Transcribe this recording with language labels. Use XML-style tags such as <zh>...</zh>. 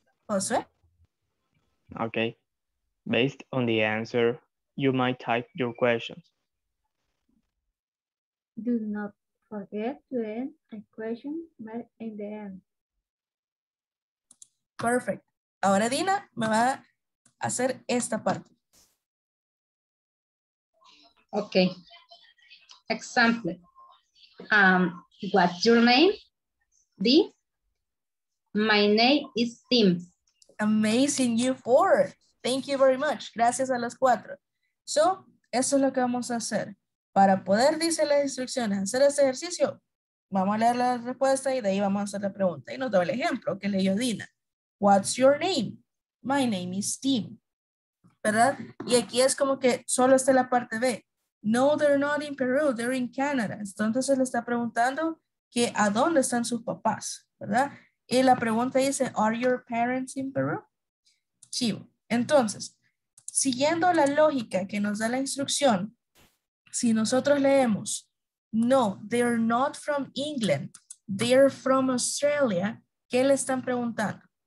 <en>Josué. Okay. Based on the answer, you might type your questions. Do not forget to end a question in the end. Perfect.</en> <es>Ahora Dina me va a hacer esta parte.</es> <en>Okay. Example. What's your name? D. My name is Tim. Amazing, you four. Thank you very much.</en> <es>Gracias a los cuatro. So, eso es lo que vamos a hacer. Para poder, dice las instrucciones, hacer este ejercicio, vamos a leer la respuesta y de ahí vamos a hacer la pregunta. Y nos da el ejemplo que leyó Dina.</es> <en>What's your name? My name is Tim.</en> <es>¿Verdad? Y aquí es como que solo está la parte B.</es> <en>No, they're not in Peru, they're in Canada.</en> <es>Entonces se le está preguntando que a dónde están sus papás, ¿verdad? Y la pregunta dice,</es> <en>are your parents in Peru?</en> <es>Chivo. Entonces, siguiendo la lógica que nos da la instrucción, si nosotros leemos,</es> <en>no, they're not from England, they're from Australia,</en> <es>¿qué le están preguntando?</es>